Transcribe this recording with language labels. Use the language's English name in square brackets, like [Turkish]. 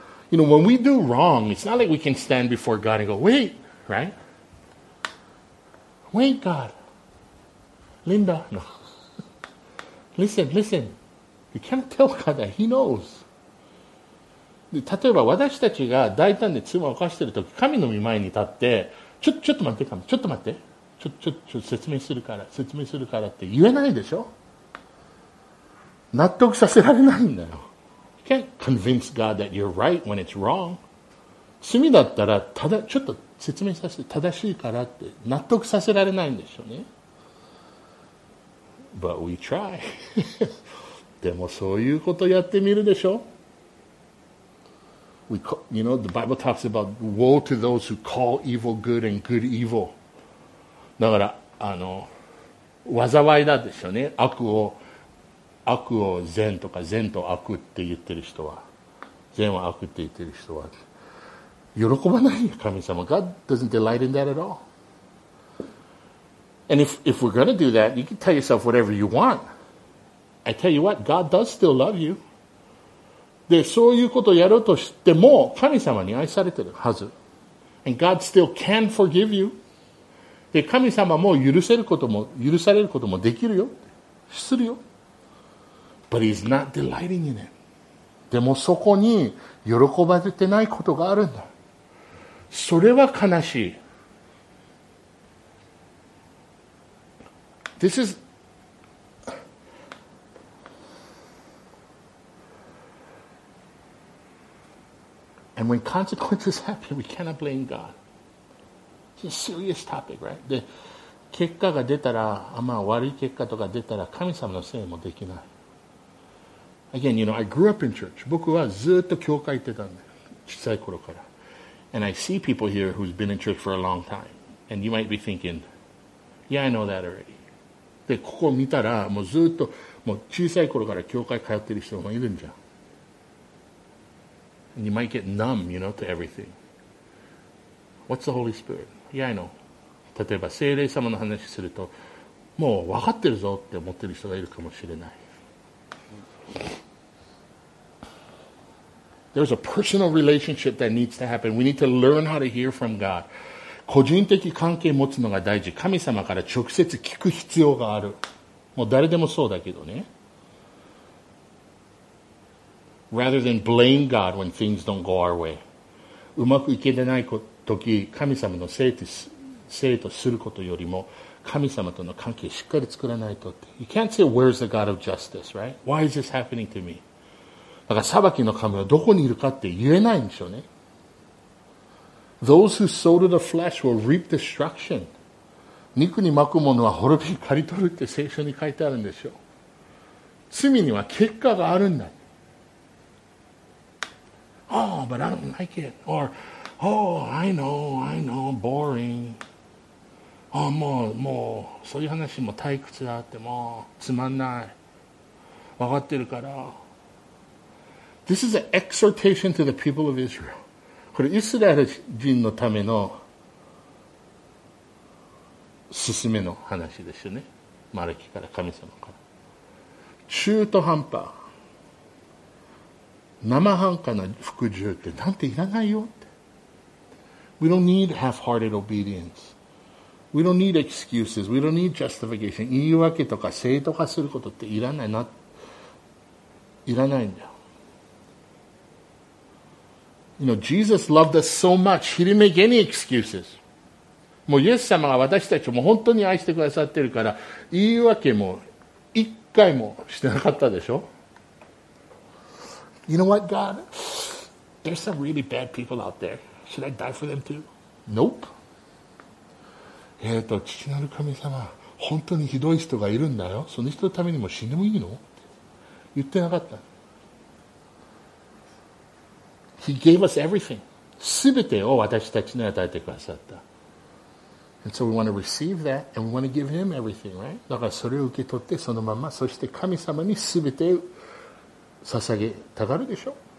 [English] You know, when we do wrong, it's not like we can stand before God and go, wait, right? Wait, God. Linda, no. Listen. You can't tell God that. He knows. [Japanese] で、例えば私たちが大胆で妻を犯してるとき、神の御前に立って、ちょっと待って、神、ちょっと待って。説明するからって言えないでしょ？納得させられないんだよ。 [English] You can't convince God that you're right when it's wrong. [Japanese] 罪だったら、ちょっと説明させて、正しいからって納得させられないんでしょうね。 [English] But we try. [Japanese] でもそういうことやってみるでしょ。 [English] You know, the Bible talks about woe to those who call evil good and good evil. [Japanese] だから、あの、災いだでしょうね。悪を善とか、善と悪って言ってる人は。善は悪って言ってる人は。喜ばないよ、神様。 [English] God doesn't delight in that at all. And if we're going to do that, you can tell yourself whatever you want. I tell you what, God does still love you. [Japanese] で、そういうことをやろうとしても、神様に愛されてるはず。 [English] And God still can forgive you. [Japanese] で、神様も許されることもできるよ。するよ。 [English] But he's not delighting in it. [Japanese] でもそこに喜ばれてないことがあるんだ。それは悲しい。 [English] This is, and when consequences happen, we cannot blame God. It's a serious topic, right? [Japanese] で、結果が出たら、まあ悪い結果とか出たら神様のせいもできない。 [English] Again, you know, I grew up in church. [Japanese] 僕はずっと教会行ってたんで、小さい頃から。 [English] And I see people here who's been in church for a long time. And you might be thinking, yeah, I know that already. [Japanese] で、ここ見たら、もうずっと、もう小さい頃から教会通ってる人もいるんじゃん。 [English] And you might get numb, you know, to everything. What's the Holy Spirit? Yeah, I know. [Japanese] 例えば、聖霊様の話すると、もう分かってるぞって思ってる人がいるかもしれない。 [English] There's a personal relationship that needs to happen. We need to learn how to hear from God. [Japanese] 個人的関係持つのが大事。神様から直接聞く必要がある。もう誰でもそうだけどね。 [English] Rather than blame God when things don't go our way. [Japanese] うまくいけてない時、神様のせいとすることよりも、神様との関係しっかり作らないとって。 [English] You can't say, where's the God of justice, right? Why is this happening to me? [Japanese] だから裁きの神はどこにいるかって言えないんでしょうね。 [English] Those who sow to the flesh will reap destruction. [Japanese] 肉に巻く者は滅びに刈り取るって聖書に書いてあるんでしょう。罪には結果があるんだ。 [English] Oh, but I don't like it. Or, oh, I know, boring. [Japanese] Oh, もう、そういう話も退屈だって、もう、つまんない。わかってるから。 [English] This is an exhortation to the people of Israel. [Japanese] これ、イスラエル人のための、進めの話ですよね。マルキから、神様から。中途半端。生半可な服従ってなんていらないよって。 [English] We don't need half-hearted obedience. We don't need excuses. We don't need justification. [Japanese] 言い訳とか正当化することっていらないんだよ。 [English] You know, Jesus loved us so much, he didn't make any excuses. [Japanese] もうイエス様が私たちも本当に愛してくださってるから、言い訳も一回もしてなかったでしょ。 [English] You know what, God? There's some really bad people out there. Should I die for them too? Nope. [Japanese] 父なる神様、本当にひどい人がいるんだよ。その人のためにも死んでもいいの？言ってなかった。 [English] He gave us everything. [Japanese] すべてを私たちに与えてくださった。 [English] And so we want to receive that and we want to give him everything, right? [Japanese] だからそれを受け取ってそのまま、そして神様にすべて捧げたがるでしょ。